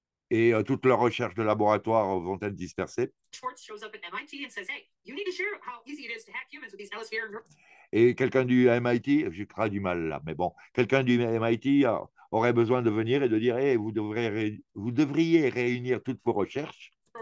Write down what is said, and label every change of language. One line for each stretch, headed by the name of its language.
French: Et toutes leurs recherches de laboratoire vont être dispersées.
English: Schwartz shows up at MIT and says, hey, you need to share how easy it is to hack humans with these LSVR.
French: Et quelqu'un du MIT, je crains du mal là, mais bon, quelqu'un du MIT aurait besoin de venir et de dire, hey, vous devriez réunir toutes vos recherches.